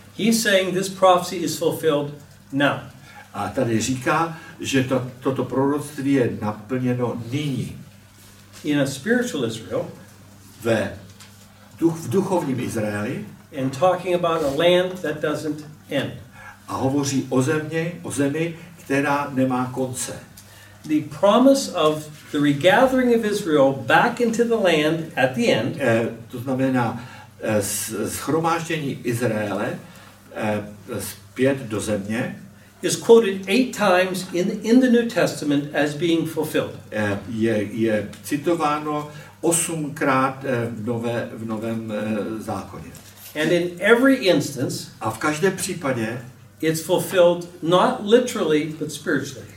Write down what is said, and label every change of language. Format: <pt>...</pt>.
<en>He's saying this prophecy is fulfilled now.</en> <cs>A tady říká, že toto proroctví je naplněno nyní.</cs> <en>In a spiritual Israel,</en> <cs>v duchovním Izraeli,</cs> <en>and talking about a land that doesn't end.</en> <cs>A hovoří o zemi, která nemá konce.</cs> <en>The promise of the regathering of Israel back into the land at the end.</en> <cs>To znamená shromáždění Izraele zpět do země.</cs> <en>Is quoted 8 times in the New Testament as being fulfilled.</en> <cs>Je citováno 8krát v novém zákoně.</cs> <en>And in every instance.</en> <cs>A v každém případě.</cs> <en>It's fulfilled not literally but spiritually.</en>